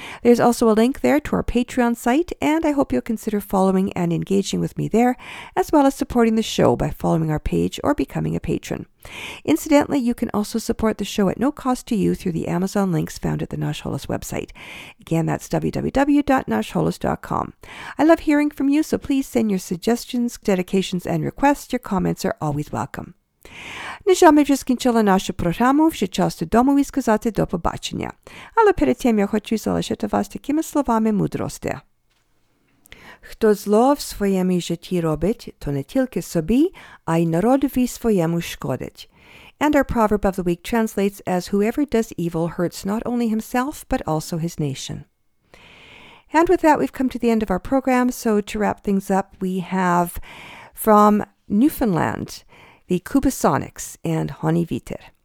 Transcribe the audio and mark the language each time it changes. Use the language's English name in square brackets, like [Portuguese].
[English] There's also a link there to our Patreon site, and I hope you'll consider following and engaging with me there, as well as supporting the show by following our page or becoming a patron. Incidentally, you can also support the show at no cost to you through the Amazon links found at the Nash Holos website. Again, that's www.nashholos.com. I love hearing from you, so please send your suggestions, dedications, and requests. Your comments are always welcome. [Ukrainian] Ніж ми вже скінчили нашу програму, вже час додому і сказати до побачення. Але перед тим я хочу залишити вас такими словами мудрості. Хто зло в своєму житті робить, то не тільки собі, а й народові своєму шкодить. [English] And our proverb of the week translates as whoever does evil hurts not only himself, but also his nation. And with that, we've come to the end of our program. So to wrap things up, we have from Newfoundland, the Kubasonics and Honey Viter.